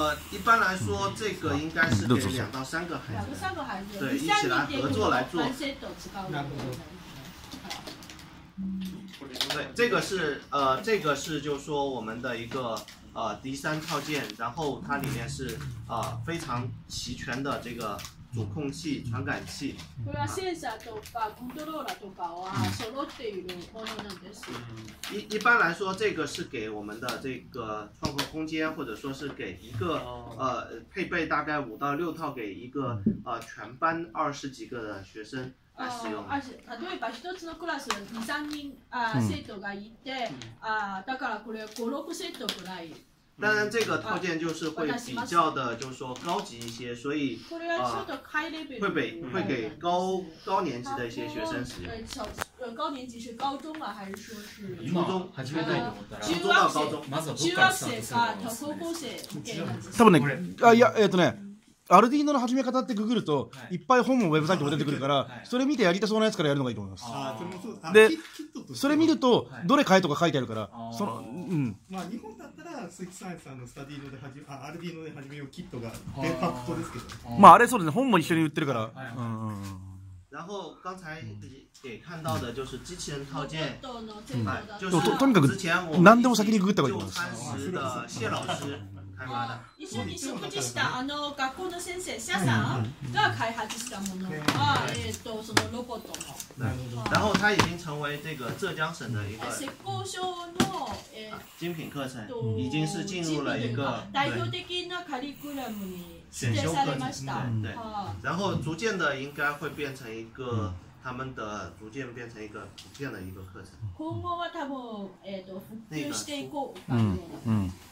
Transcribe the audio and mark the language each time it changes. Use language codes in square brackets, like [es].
[zh] 一般来说，这个应该是给两到三个孩子，对，一起来合作来做。对，这个是这个是就是说我们的一个D3套件，然后它里面是非常齐全的这个主控器、传感器。 [ja] これはセンサーとかコントローラーとかは揃っているものなんです。 [zh] 一般来说，这个是给我们的这个创客空间，或者说是给一个配备大概5到6套给一个全班20几个的学生来使用。 [ja] 例えば一つのクラス2、3人生徒がいて、だからこれ5、6セットくらい。 [zh] 当然，这个套件就是会比较的，就是说高级一些，所以会给高年级的一些学生使用。高年级是高中啊，还是说是初中？初中到高中， [ja] 中学生か高校生みたいな。多分ね、あいやね。アルディーノの始め方ってググると、いっぱい本もウェブサイトも出てくるから、それ見てやりたそうなやつからやるのがいいと思います。で、それ見ると、どれ買えとか書いてあるから、その、うん。まあ、日本だったら、スイッチサイエンスさんのスタディーノで始め、アルディーノで始めようキットが、デファクトですけど。まあ、あれそうですね、本も一緒に売ってるから。 [zh] 然后刚才给看到的就是机器人套件， [ja] とにかく何でも先にググった方がいいと思います。 [zh] 谢老师开发的。 [ja] 一緒に食事したあの学校の先生謝さんが開発したものはそのロボットの。 [zh] 然后他已经成为这个浙江省的一个。 [ja] 浙江省の [zh] 精品课程已经是进入了一个 [ja] 代表的なカリキュラムに。 [zh] 选修课程，对，然后逐渐的应该会变成一个他们的逐渐变成一个普遍的一个课程。 [ja] 今後は多分普及していこう。